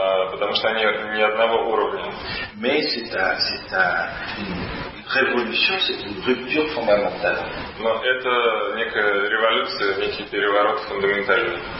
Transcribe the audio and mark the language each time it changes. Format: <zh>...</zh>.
<ru>Потому что они не одного уровня.</ru> <fr>Mais c'est une révolution, c'est une rupture fondamentale.</fr> <ru>Но это некая революция, некий переворот фундаментальный.</ru>